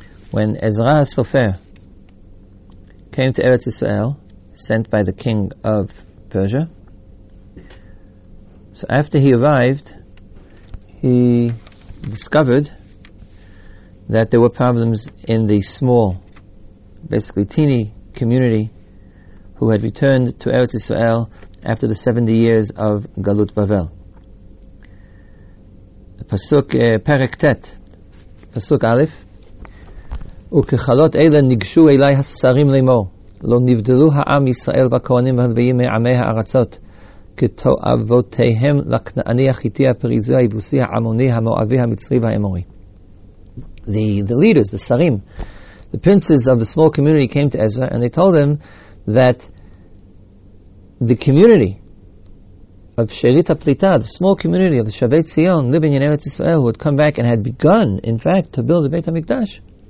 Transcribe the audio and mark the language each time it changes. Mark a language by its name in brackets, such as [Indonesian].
[English] When Ezra Sofer came to Eretz Israel, sent by the king of Persia, so after he arrived, he discovered that there were problems in the small, basically teeny community who had returned to Eretz Israel after the 70 years of Galut Bavel. [Hebrew] Pasuk Perek Tet, Pasuk Aleph, וכחלות אלה ניגשו אלי השרים לאמור, לא נבדלו העם ישראל והכהנים והלוויים מעמי הארצות, כתועבותיהם לכנעני החיטי הפריזי היבוסי העמוני המואבי המצרי והאמורי. [English] The leaders, the sarim, the princes of the small community came to Ezra and they told him that the community of Sherit HaPlita, the small community of the Shavei Tzion living in Eretz Israel, who had come back and had begun, in fact, to build the Beit HaMikdash,